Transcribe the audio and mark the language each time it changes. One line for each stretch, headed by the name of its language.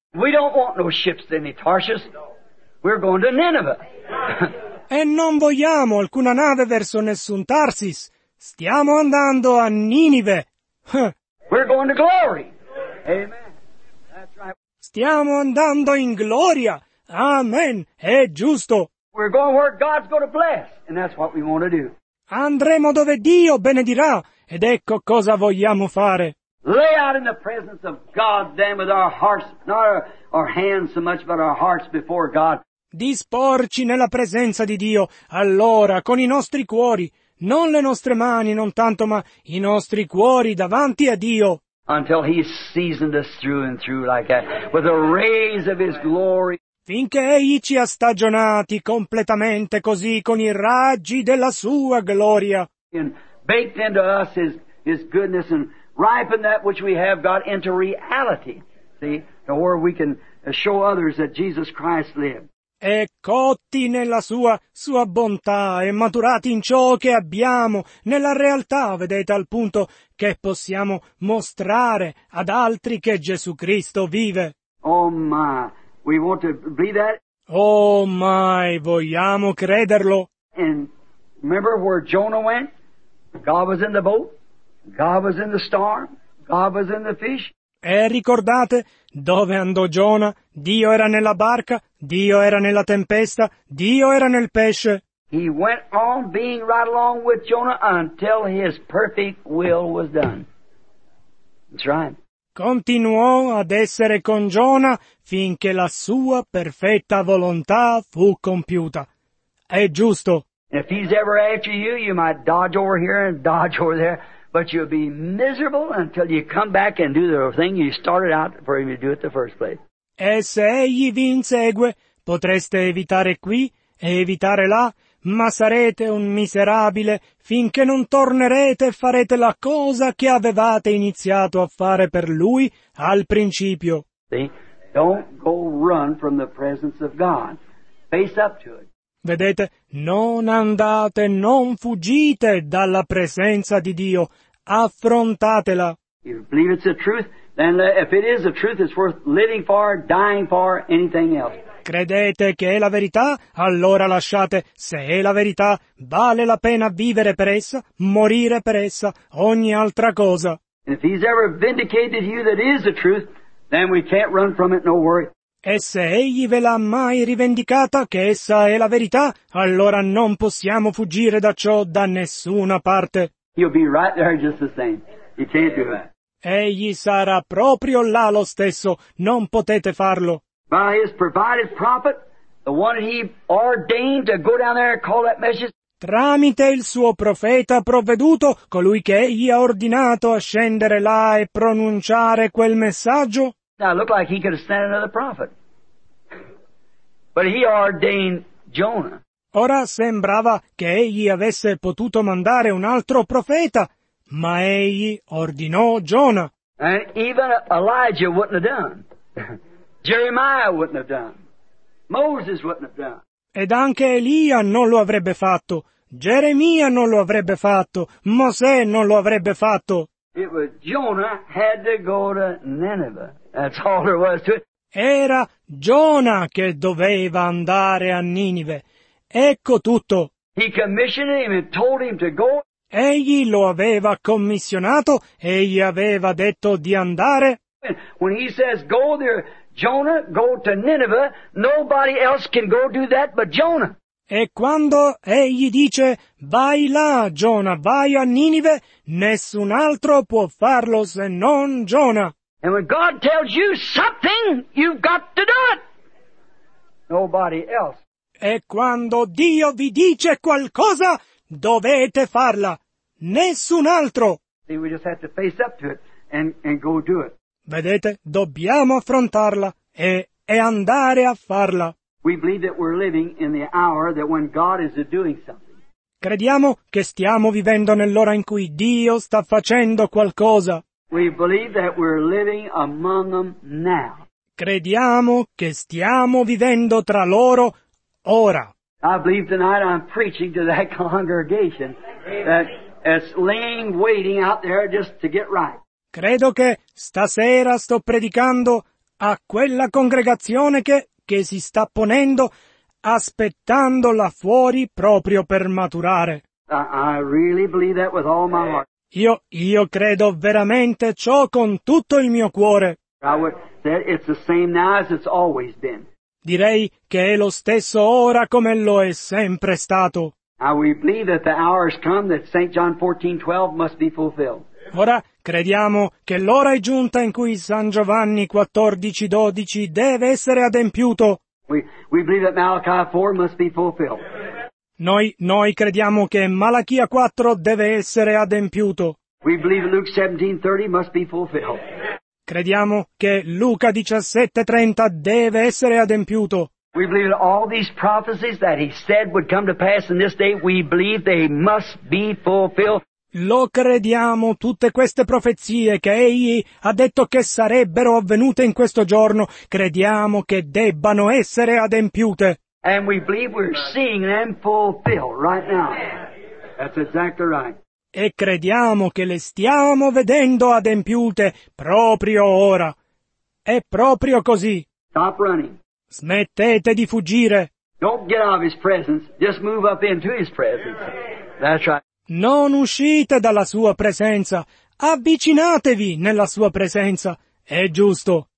English: We don't want no ships in Tarshish. We're going to Nineveh.
Italian: E non vogliamo alcuna nave verso nessun Tarsis. Stiamo andando a Ninive.
English: We're going to glory. Amen.
Italian: Stiamo andando in gloria. Amen. È giusto.
English: We're going where God's going to bless, and that's what we want to do.
Italian: Andremo dove Dio benedirà, ed ecco cosa vogliamo fare.
English: Lay out in the presence of God, then, with our hearts, not our hands so much, but our hearts before God.
Italian: Disporci nella presenza di Dio, allora, con i nostri cuori, non le nostre mani, non tanto, ma i nostri cuori davanti a Dio.
English: Until he seasoned us through and through like that, with the rays of his glory.
Italian: Finché egli ci ha stagionati completamente così con i raggi della sua gloria.
English: And baked into us his goodness and ripen that which we have got into reality. See? To where we can show others that Jesus Christ lived.
Italian: E cotti nella sua bontà e maturati in ciò che abbiamo, nella realtà, vedete, al punto che possiamo mostrare ad altri che Gesù Cristo vive.
English: Oh my, we want to believe that.
Italian: Oh my, vogliamo crederlo.
English: And remember where Jonah went? God was in the boat, God was in the storm, God was in the fish.
Italian: E ricordate dove andò Giona? Dio era nella barca, Dio era nella tempesta, Dio era nel pesce.
English: He went on being right along with Jonah until his perfect will was done. That's right.
Italian: Continuò ad essere con Giona finché la sua perfetta volontà fu compiuta. È giusto.
English: If he's ever after you, you might dodge over here and dodge over there. But you'll be miserable until you come back and do the thing you started out for him to do it the first place.
Italian: E se egli vi insegue, potreste evitare qui e evitare là, ma sarete un miserabile finché non tornerete e farete la cosa che avevate iniziato a fare per lui al principio.
English: See? Don't go run from the presence of God. Face up to it.
Italian: Vedete, non andate, non fuggite dalla presenza di Dio, affrontatela.
English: If you believe it's the truth, then if it is the truth, it's worth living for, dying for, anything else.
Italian: Credete che è la verità? Allora lasciate, se è la verità, vale la pena vivere per essa, morire per essa, ogni altra cosa.
English: And if he's ever vindicated you that is the truth, then we can't run from it, no worry.
Italian: E se egli ve l'ha mai rivendicata che essa è la verità, allora non possiamo fuggire da ciò da nessuna parte.
English: You'll be right there just the same. You can't do that.
Italian: Egli sarà proprio là lo stesso. Non potete farlo.
English: By his provided prophet, the one he ordained to go down there and call that message.
Italian: Tramite il suo profeta provveduto, colui che egli ha ordinato a scendere là e pronunciare quel messaggio.
English: Now it looked like he could have sent another prophet. But he ordained Jonah.
Italian: Ora sembrava che egli avesse potuto mandare un altro profeta, ma egli ordinò Jonah.
English: And even Elijah wouldn't have done. Jeremiah wouldn't have done. Moses wouldn't have done.
Italian: Ed anche Elia non lo avrebbe fatto. Geremia non lo avrebbe fatto. Mosè non lo avrebbe fatto.
English: It was Jonah had to go to Nineveh. That's all there was to it.
Italian: Era Giona che doveva andare a Ninive. Ecco tutto.
English: He commissioned him and told him to go.
Italian: Egli lo aveva commissionato e gli aveva detto di andare.
English: When he says go there, Jonah, go to Nineveh, nobody else can go do that but Jonah.
Italian: E quando egli dice vai là, Giona, vai a Ninive, nessun altro può farlo se non Giona.
English: And when God tells you something, you've got to do it. Nobody else.
Italian: E quando Dio vi dice qualcosa, dovete farla. Nessun altro.
English: See, we just have to face up to it and go do it.
Italian: Vedete, dobbiamo affrontarla e andare a farla.
English: We believe that we're living in the hour that when God is doing something.
Italian: Crediamo che stiamo vivendo nell'ora in cui Dio sta facendo qualcosa.
English: We believe that we're living among them now.
Italian: Crediamo che stiamo vivendo tra loro ora.
English: I believe tonight I'm preaching to that congregation that is laying waiting out there just to get right.
Italian: Credo che stasera sto predicando a quella congregazione che si sta ponendo aspettando là fuori proprio per maturare.
English: I really believe that with all my heart.
Italian: Io credo veramente ciò con tutto il mio cuore.
English: It's the same now as it's always been.
Italian: Direi che è lo stesso ora come lo è sempre stato.
English: We believe that the hour has come that St. John 14:12 must be fulfilled.
Italian: Ora crediamo che l'ora è giunta in cui San Giovanni 14:12 deve essere adempiuto.
English: We believe that Malachi 4 must be fulfilled.
Italian: Noi crediamo che Malachia 4 deve essere adempiuto.
English: We believe Luke 17:30 must be fulfilled.
Italian: Crediamo che Luca 17:30 deve essere adempiuto.
English: We believe that all these prophecies that he said would come to pass in this day, we believe they must be fulfilled.
Italian: Lo crediamo, tutte queste profezie che egli ha detto che sarebbero avvenute in questo giorno, crediamo che debbano essere adempiute.
English: And we believe we're seeing them fulfilled right now. That's exactly right.
Italian: E crediamo che le stiamo vedendo adempiute proprio ora. È proprio così.
English: Stop running.
Italian: Smettete di fuggire.
English: Don't get out of his presence, just move up into his presence. That's right.
Italian: Non uscite dalla sua presenza, avvicinatevi nella sua presenza, è giusto.